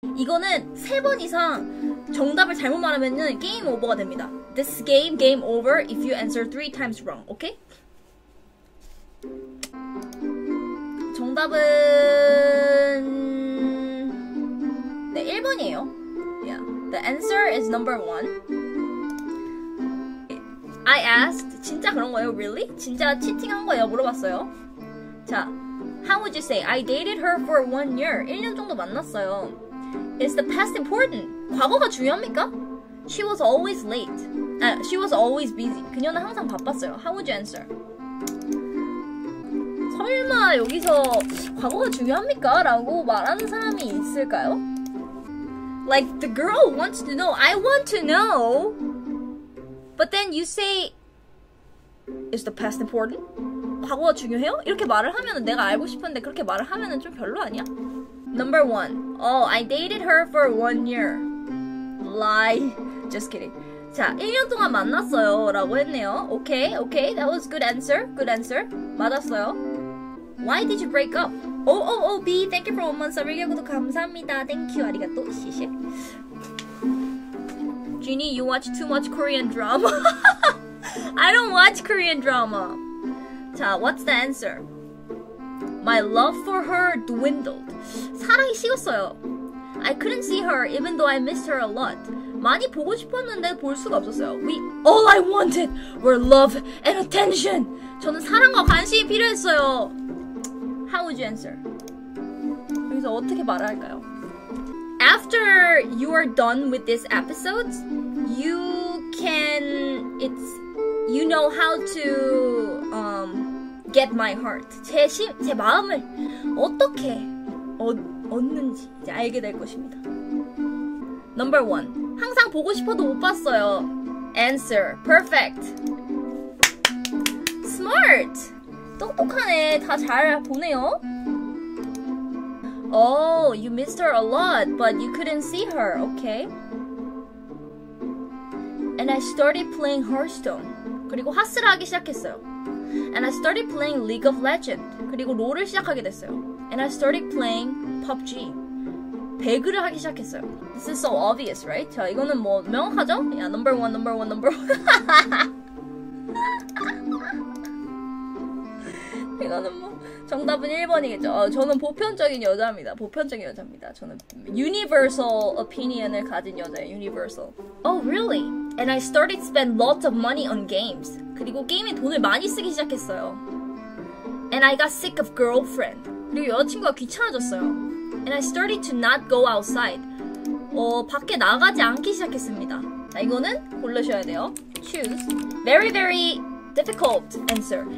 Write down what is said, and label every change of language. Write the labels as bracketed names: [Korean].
[Korean] 이거는 3번 이상 정답을 잘못 말하면은 게임 오버가 됩니다. [English] This game game over if you answer 3 times wrong. 오케이? Okay? [Korean] 정답은 네, 1번이에요. Yeah. [English] The answer is number 1. I asked, [Korean] 진짜 그런 거예요? [English] Really? [Korean] 진짜 치팅한 거예요? 물어봤어요. 자, [English] how would you say? I dated her for 1 year. [Korean] 1년 정도 만났어요. [English] Is the past important? [Korean] 과거가 중요합니까? [English] She was always late. She was always busy. [Korean] 그녀는 항상 바빴어요. [English] How would you answer? [Korean] 설마 여기서 과거가 중요합니까? 라고 말하는 사람이 있을까요? [English] Like, the girl wants to know. I want to know. But then you say, is the past important? [Korean] 과거가 중요해요? 이렇게 말을 하면 내가 알고 싶은데 그렇게 말을 하면 좀 별로 아니야? [English] Number one. Oh, I dated her for 1 year. Lie. Just kidding. [Korean] 자, 1년 동안 만났어요 라고 했네요. [English] Okay, okay. That was good answer. Good answer. [Korean] 맞았어요. [English] Why did you break up? OOOB. Thank you for 1 month. [Korean] 서비스 구독 감사합니다. [English] Thank you. 아리가또. 시시. Jeannie, you watch too much Korean drama. I don't watch Korean drama. 자, what's the answer? My love for her dwindled. [Korean] 사랑이 식었어요. [English] I couldn't see her even though I missed her a lot. [Korean] 많이 보고 싶었는데 볼 수가 없었어요. [English] We all I wanted were love and attention. [Korean] 저는 사랑과 관심이 필요했어요. [English] How would you answer? [Korean] 여기서 어떻게 말을 할까요? [English] After you are done with this episode, you can, you know how to get my heart. [Korean] 제 마음을 어떻게 얻는지 이제 알게 될 것입니다. [English] Number one, [Korean] 항상 보고 싶어도 못 봤어요. [English] Answer, perfect. [Korean] Smart, 똑똑하네. 다 잘 보네요. [English] Oh, you missed her a lot, but you couldn't see her, okay. And I started playing Hearthstone. [Korean] 그리고 하스를 하기 시작했어요. [English] And I started playing League of Legends. [Korean] 그리고 롤을 시작하게 됐어요. [English] And I started playing PUBG. [Korean] 배그를 하기 시작했어요. [English] This is so obvious, right? [Korean] 자, 이거는 뭐 명확하죠? [English] Yeah, number one, number one, number one. [Korean] 이거는 뭐... 정답은 1번이겠죠. 저는 보편적인 여자입니다. 보편적인 여자입니다. 저는 universal opinion을 가진 여자예요. Universal. [English] Oh, really? And I started spend lots of money on games. [Korean] 그리고 게임에 돈을 많이 쓰기 시작했어요. [English] And I got sick of girlfriend. [Korean] 그리고 여자친구가 귀찮아졌어요. [English] And I started to not go outside. [Korean] 밖에 나가지 않기 시작했습니다. 자, 이거는 고르셔야 돼요. [English] Choose. Very, very... difficult answer.